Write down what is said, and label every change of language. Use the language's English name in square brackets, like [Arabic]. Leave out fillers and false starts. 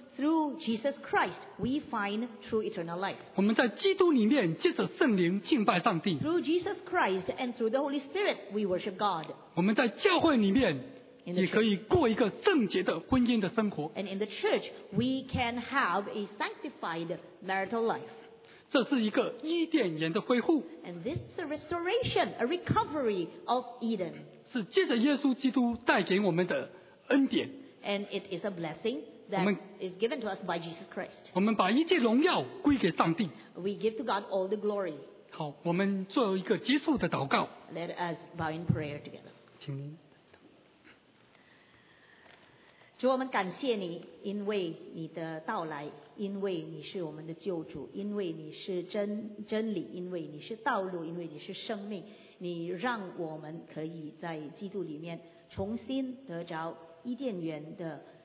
[English] Through Jesus Christ, we find true eternal life. [Chinese] 我们在基督里面借着圣灵敬拜上帝。 [English] Through Jesus Christ and through the Holy Spirit, we worship God. [Chinese] 我们在教会里面。也可以过一个圣洁的婚姻的生活。 [English] And in the church, we can have a sanctified marital life. [Chinese] 这是一个伊甸园的恢复。 [English] And this is a restoration, a recovery of Eden. [Chinese] 是借着耶稣基督带给我们的恩典。 [English] And it is a blessing that is given to us by Jesus Christ. [Chinese] 我们把一切荣耀归给上帝。 [English] We give to God all the glory. [Chinese] 好，我们做一个结束的祷告。 [English] Let us bow in prayer together. [Chinese] 请您。主我们感谢你因为你的到来因为你是我们的救主因为你是 真理因为你是道路因为你是生命你让我们可以在基督里面重新得着伊甸园的